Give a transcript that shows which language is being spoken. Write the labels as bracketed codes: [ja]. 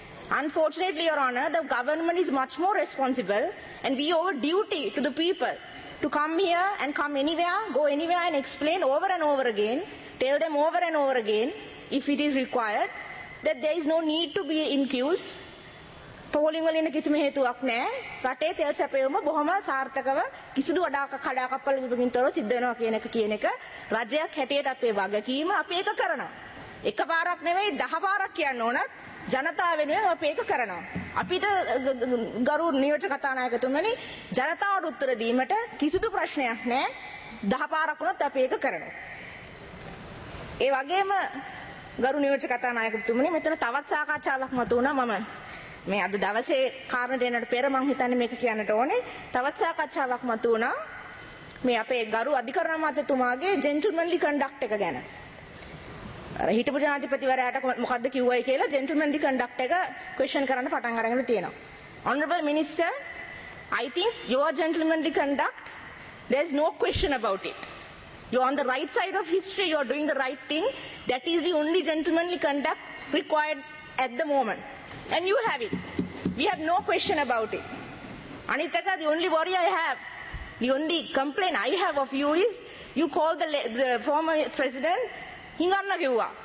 [en] Unfortunately, your honor, the government is much more responsible, and we owe a duty to the people to come here and come anywhere, go anywhere and explain over and over again, tell them over and over again if it is required, that there is no need to be in queues. [si] පෝලිංග වලින් කිසිම හේතුවක් නැහැ. රටේ තෙල් සැපයුම බොහොම සාර්ථකව කිසිදු වඩාක කඩාකප්පල් විභාගින් තොරව සිද්ධ වෙනවා කියන එක රජයක් හැටියට අපේ වගකීම, අපි ඒක කරනවා. එකපාරක් නෙවෙයි 10 පාරක් කියන්න ඕනත් ජනතාව වෙනුවෙන් අපි ඒක කරනවා. අපිට ගරු නියෝජ්‍ය කතානායකතුමනි, ජනතාවට උත්තර දීමට කිසිදු ප්‍රශ්නයක් නැහැ. 10 පාරක් වුණත් අපි ඒක කරනවා. ඒ වගේම ගරු නියෝජ්‍ය කතානායකතුමනි, මෙතන තවත් සාකච්ඡාවක් මතුණා. මම මේ අද දවසේ කාරණ දෙන්නට පෙර මං හිතන්නේ මේක කියන්නට ඕනේ. තවත් සාකච්ඡාවක් මතු වුණා මේ අපේ ගරු අධිකරණ මාත්‍යතුමාගේ [en] gentlemanly conduct [si] එක ගැන. අර හිටපු ජනාධිපතිවරයාට මොකද්ද කිව්වයි කියලා [en] ජෙන්ටල්මන්ලි conduct [si] එක ක්වෙස්චන් කරන්න පටන් අරගෙන තියෙනවා. [en] Honourable minister, I think your gentlemanly conduct, there is no question about it. You are on the right side of history, you are doing the right thing. That is the only gentlemanly conduct required at the moment. And you have it. We have no question about it. Anitaka, the only worry I have, the only complaint I have of you is, you call the former president, [si] hinganna kiwwa.